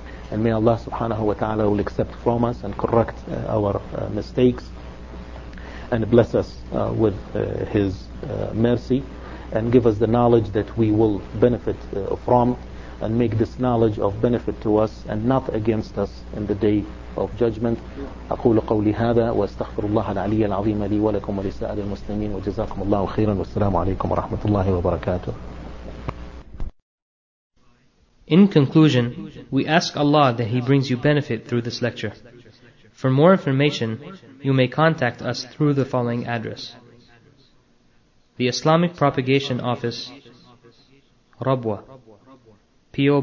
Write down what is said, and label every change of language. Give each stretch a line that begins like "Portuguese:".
English: And may Allah subhanahu wa ta'ala will accept from us and correct our mistakes and bless us with His mercy and give us the knowledge that we will benefit from, and make this knowledge of benefit to us and not against us in the day of judgment.
Arabic: أقول قولي هذا واستغفر الله العلي العظيم لي ولكم ولسائر المسلمين وجزاكم الله خيرا والسلام عليكم ورحمة الله وبركاته.
English: In conclusion, we ask Allah that He brings you benefit through this lecture. For more information, you may contact us through the following address. The Islamic Propagation Office, Rabwa, P.O.